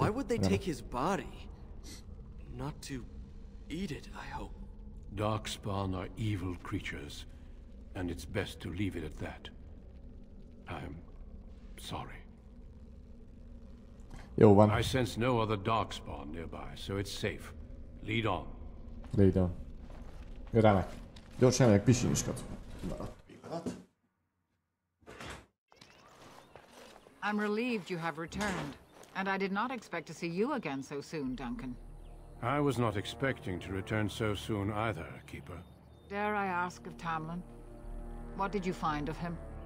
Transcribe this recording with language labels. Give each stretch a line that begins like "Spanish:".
English: Why would they take his body? Not to eat it, I hope. Darkspawn are evil creatures, and it's best to leave it at that. I'm sorry.
Hungarian: Jó van.
English: I sense no other Darkspawn nearby, so it's safe. Lead on. Lead on. Remek.
Hungarian: Gyorsan megyek, pisin is kapcsolat.
English: I'm relieved you have returned, and I did not expect to see you again so soon, Duncan. I was not expecting to return so soon either, Keeper. Dare I ask of Tamlin? What did you find of him?